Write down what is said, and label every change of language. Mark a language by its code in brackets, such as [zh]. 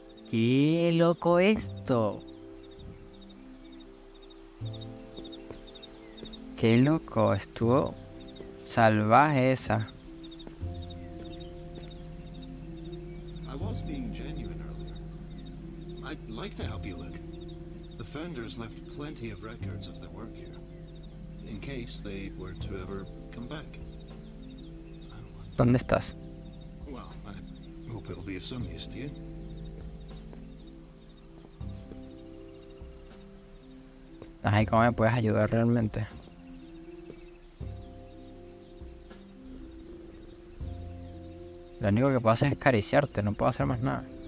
[es] Qué loco esto. Qué loco, estuvo salvaje esa. [en] I was being genuine earlier. I'd like to help you look. The Founders left plenty of records of their work here. In case they were to ever come back. [es] ¿Dónde estás? [en] Well, I hope it'll be of some use to you. [es] Ay, ¿cómo me puedes ayudar realmente? Lo único que puedo hacer es acariciarte, no puedo hacer más nada.